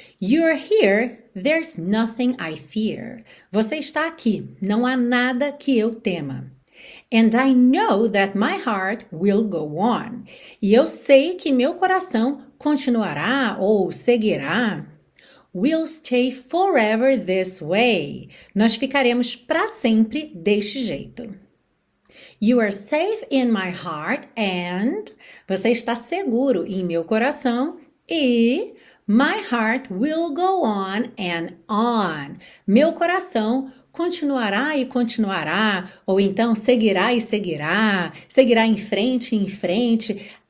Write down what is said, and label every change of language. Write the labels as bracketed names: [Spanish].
[English] You're here, there's nothing I fear. [Portuguese] Você está aqui, não há nada que eu tema. [English] And I know that my heart will go on. [Portuguese] E eu sei que meu coração continuará ou seguirá. [English] We'll stay forever this way. [Portuguese] Nós ficaremos para sempre deste jeito. [English] You are safe in my heart and [Portuguese] você está seguro em meu coração e [English] my heart will go on and on. [Portuguese] Meu coração continuará e continuará, ou então seguirá e seguirá, seguirá em frente e em frente.